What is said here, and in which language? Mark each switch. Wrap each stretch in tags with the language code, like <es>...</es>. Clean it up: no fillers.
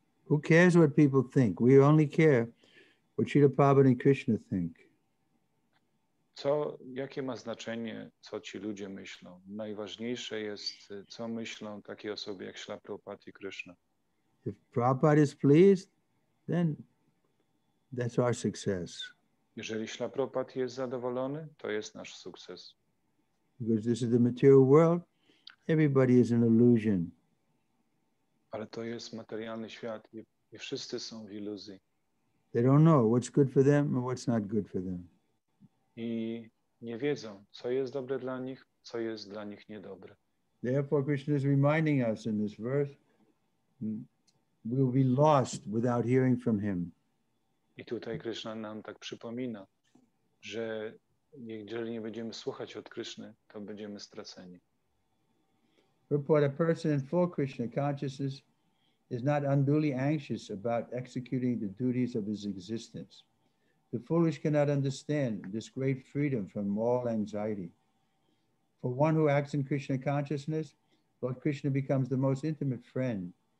<en>Who cares what people think? We only care what Śrīla Prabhupāda and Krishna think.</en> <pl>Jakie ma znaczenie, co ci ludzie myślą? Najważniejsze jest, co myślą takie osoby jak Śrīla Prabhupāda i Krishna.</pl> <en>If Prabhupada is pleased, then that's our success.</en> <pl>Jeżeli Śla Prabhupada jest zadowolony, to jest nasz sukces.</pl> <en>Because this is the material world, everybody is an illusion.</en> <pl>Ale to jest materialny świat i wszyscy są w iluzji.</pl> <en>They don't know what's good for them and what's not good for them.</en> <pl>I nie wiedzą, co jest dobre dla nich, co jest dla nich niedobre.</pl> <en>Therefore, Krishna is reminding us in this verse, we'll be lost without hearing from him.</en> <pl>I tutaj Krishna nam tak przypomina, że jeżeli nie będziemy słuchać od Krishny, to będziemy straceni.</pl> <en>Report, a person in full Krishna consciousness is not unduly anxious about executing the duties of his existence. The foolish cannot understand this great freedom from all anxiety. For one who acts in Krishna consciousness, Lord Krishna becomes the most intimate friend.</en>